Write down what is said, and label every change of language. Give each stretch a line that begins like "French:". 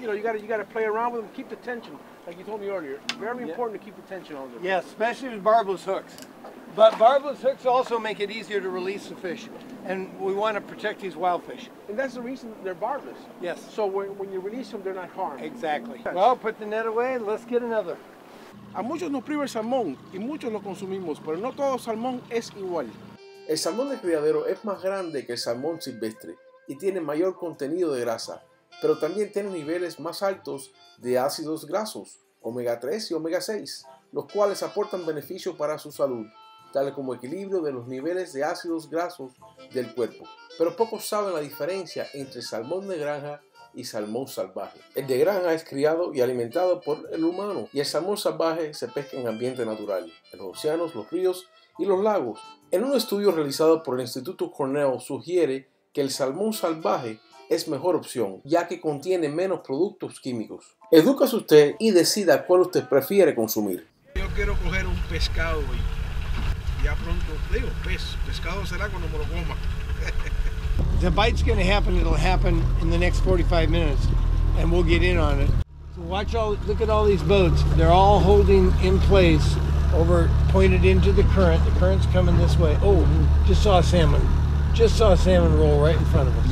English: You know, you gotta play around with them. Keep the tension, like you told me earlier. Very important to keep the tension on them. Yeah, especially with barbless hooks. But barbless hooks also make it easier to release the fish, and we want to protect these wild fish. And that's the reason they're barbless. Yes. So when you release them, they're not harmed. Exactly. Yes. Well, put the net away and let's get another.
Spanish: A muchos nos priva el salmón y muchos lo consumimos, pero no todo salmón es igual. El salmón de criadero es más grande que el salmón silvestre y tiene mayor contenido de grasa, pero también tiene niveles más altos de ácidos grasos, omega 3 y omega 6, los cuales aportan beneficios para su salud, tales como equilibrio de los niveles de ácidos grasos del cuerpo. Pero pocos saben la diferencia entre salmón de granja y salmón salvaje. El de granja es criado y alimentado por el humano, y el salmón salvaje se pesca en ambiente natural, en los océanos, los ríos y los lagos. En un estudio realizado por el Instituto Cornell sugiere que el salmón salvaje es mejor opción, ya que contiene menos productos químicos. Edúquese usted y decida cuál usted prefiere consumir. Yo quiero coger un pescado hoy. Ya pronto, digo, pescado será cuando me lo coma.
English: The bite's going to happen, it'll happen in the next 45 minutes, and we'll get in on it. So watch all, look at all these boats. They're all holding in place, over, pointed into the current. The current's coming this way. Oh, just saw a salmon. Just saw a salmon roll right in front of us.